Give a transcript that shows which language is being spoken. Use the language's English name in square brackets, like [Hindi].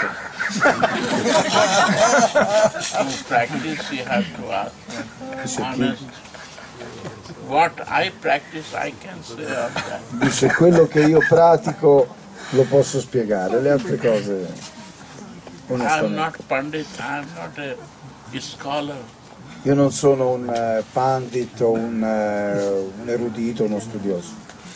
[English] To practice you have to ask. Honest. What I practice I can say of that. [Italian] Dice, quello che io pratico lo posso spiegare, le altre cose. [English] I'm not Pandit, I'm not a scholar. [Italian] Io non sono un pandit o un erudito, uno studioso.